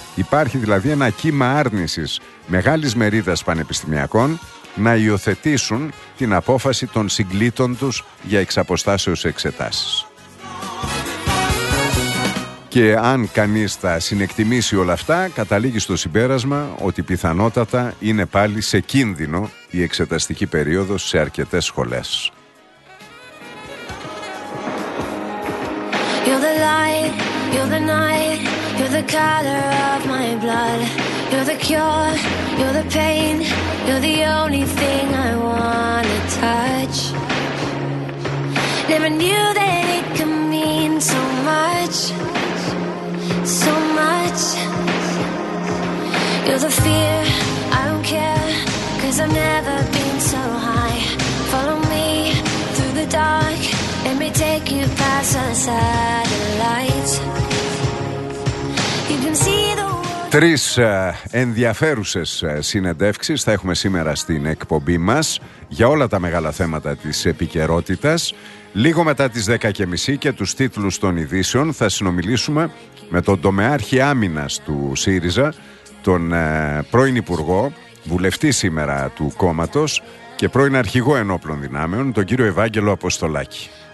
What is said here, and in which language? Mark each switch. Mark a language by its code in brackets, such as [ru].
[el] Υπάρχει δηλαδή ένα κύμα άρνησης μεγάλης μερίδας πανεπιστημιακών να υιοθετήσουν την απόφαση των συγκλήτων τους για εξαποστάσεως εξετάσεις. Και αν κανείς τα συνεκτιμήσει όλα αυτά, καταλήγει στο συμπέρασμα ότι πιθανότατα είναι πάλι σε κίνδυνο η εξεταστική περίοδος σε αρκετές σχολές. [en] You're the light, you're the night, you're the color of my blood. You're the cure, you're the pain, you're the only thing I wanna touch. Never knew that it could mean so much, so much. You're the fear, I don't care, cause I've never been so high. Follow me through the dark, let me take you past the satellites. You can see the. [el] Τρεις ενδιαφέρουσες συνεντεύξεις θα έχουμε σήμερα στην εκπομπή μας για όλα τα μεγάλα θέματα της επικαιρότητας. Λίγο μετά τις 10.30 και τους τίτλους των ειδήσεων θα συνομιλήσουμε με τον τομεάρχη άμυνας του ΣΥΡΙΖΑ, τον πρώην υπουργό, βουλευτή σήμερα του κόμματος και πρώην αρχηγό ενόπλων δυνάμεων, τον κύριο Ευάγγελο Αποστολάκη.